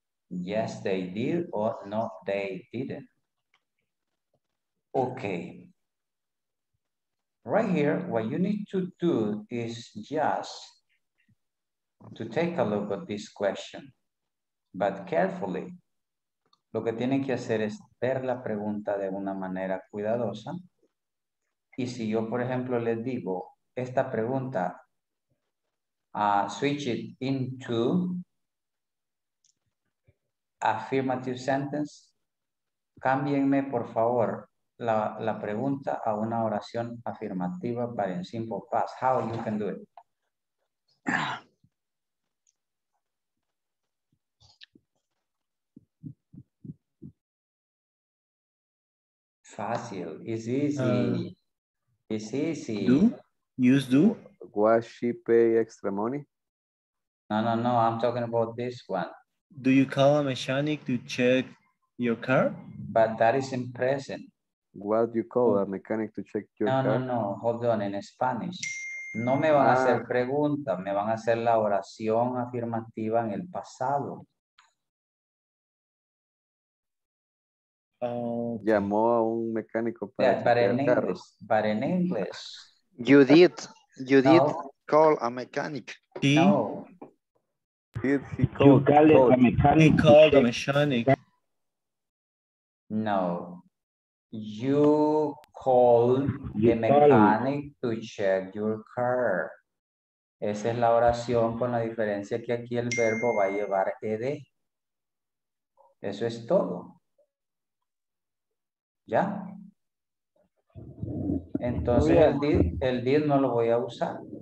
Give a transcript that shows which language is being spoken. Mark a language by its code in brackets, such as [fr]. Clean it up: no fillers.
[en] Yes, they did, or no, they didn't. Okay. Right here, what you need to do is just to take a look at this question, but carefully. [es] Lo que tienen que hacer es ver la pregunta de una manera cuidadosa. Y si yo, por ejemplo, les digo esta pregunta, [en] switch it into affirmative sentence. [es] Cámbienme, por favor, la pregunta a una oración afirmativa para el simple past. [en] How you can do it? [es] Fácil. [en] It's easy. It's easy. Do? Use do? Was she pay extra money? No. I'm talking about this one. Do you call a mechanic to check your car? But that is in present. What do you call a mechanic to check your car? No. Hold on. In Spanish. [es] No me van a hacer preguntas. Me van a hacer la oración afirmativa en el pasado. Llamó a un mecánico para [en] But in English. You did call a mechanic. He? No. Did he call you a mechanic? Called a mechanic. No. You called the mechanic to check your car. [es] Esa es la oración con la diferencia que aquí el verbo va a llevar ed. Eso es todo. ¿Ya? Entonces el did no lo voy a usar.